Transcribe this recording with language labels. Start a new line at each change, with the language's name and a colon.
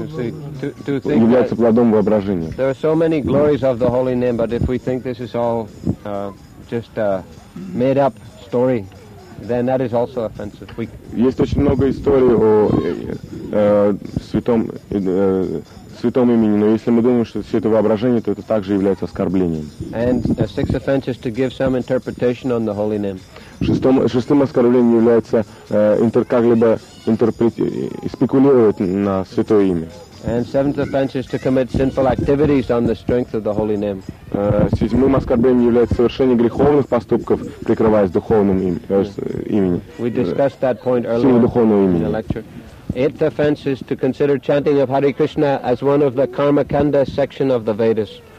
Russian: Является плодом воображения.
English: There are so many glories of the holy name, but if we think this is all just a made up story, then that is also offensive.
Russian: Есть очень много историй о святом святом имени, но если мы думаем, что все это воображение, то это также является оскорблением.
English: And the sixth offense is to give some interpretation on the holy name.
Russian: Шестым оскорблением является как-либо спекулировать на святое имя.
English: And seventh offense is to commit sinful activities on the strength of the holy name.
Russian: Седьмым оскорблением является совершение греховных поступков, прикрываясь духовным именем.
English: We discussed that point earlier in the lecture. Eighth offense is to consider chanting of Hare Krishna as one of the Karma Kanda section of the Vedas.